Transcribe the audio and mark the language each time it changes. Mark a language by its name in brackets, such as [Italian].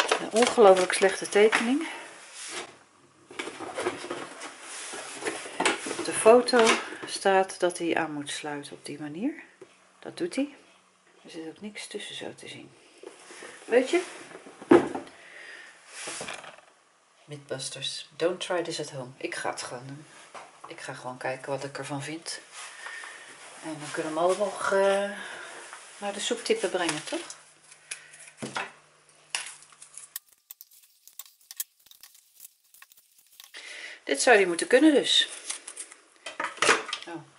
[Dutch] ongelooflijk slechte tekening. Op de foto staat dat hij aan moet sluiten op die manier. Dat doet hij. Er zit ook niks tussen zo te zien. Weet je? [English] Mythbusters, don't try this at home. [Dutch] Ik ga het gewoon doen. Ik ga gewoon kijken wat ik ervan vind. En we kunnen hem allemaal nog naar de soeptippen brengen, toch? Dit zou hij moeten kunnen dus. Oh.